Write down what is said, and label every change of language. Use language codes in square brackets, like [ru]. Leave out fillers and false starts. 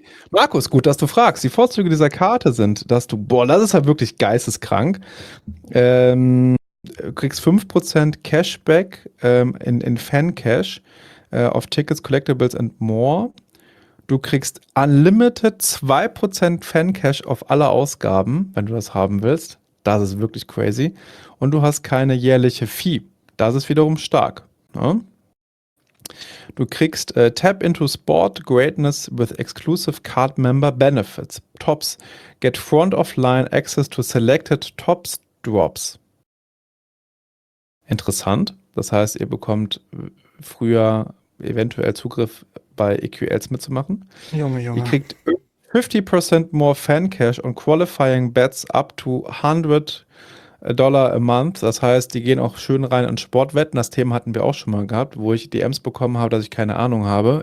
[de] Markus, gut, dass du fragst. Die Vorzüge dieser Karte sind, dass du, boah, das ist halt wirklich geisteskrank, kriegst 5% Cashback in Fan-Cash auf Tickets, Collectibles and more. Du kriegst unlimited 2% Fan-Cash auf alle Ausgaben, wenn du das haben willst. Das ist wirklich crazy. Und du hast keine jährliche Fee. Das ist wiederum stark. Ne? [en] Du kriegst Tap into Sport Greatness with exclusive Card Member Benefits. Tops. Get front of line access to selected Tops Drops. [de] Interessant. Das heißt, ihr bekommt früher eventuell Zugriff bei EQLs mitzumachen. Junge, Junge. [en] Ihr kriegt 50% more Fan Cash on qualifying bets up to $100 a month. [de] Das heißt, die gehen auch schön rein in Sportwetten. Das Thema hatten wir auch schon mal gehabt, wo ich DMs bekommen habe, dass ich keine Ahnung habe.